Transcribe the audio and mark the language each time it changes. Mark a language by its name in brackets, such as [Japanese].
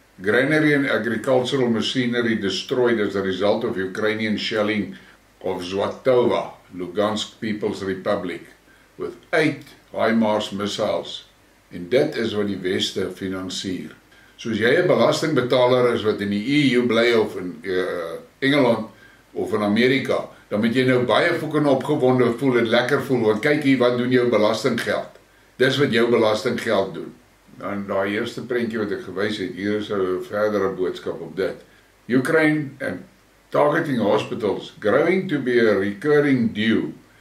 [English] Granary and agricultural machinery destroyed as a result of Ukrainian shelling of Zwatova, Lugansk People's Republic, with 8 HIMARS missiles. [Afrikaans] En dit is wat die Weste finansier. So as jy 'n belastingbetaler is wat in die EU bly of in Engeland of in Amerika, dan moet jy nou baie fucking opgewonde voel en lekker voel, want kyk hier wat doen jou belastinggeld. Dis wat jou belastinggeld doen. Dan daai eerste prentjie wat ek gewys het, hier is 'n verdere boodskap op dit. [English] Ukraine and targeting hospitals growing to be a recurring due.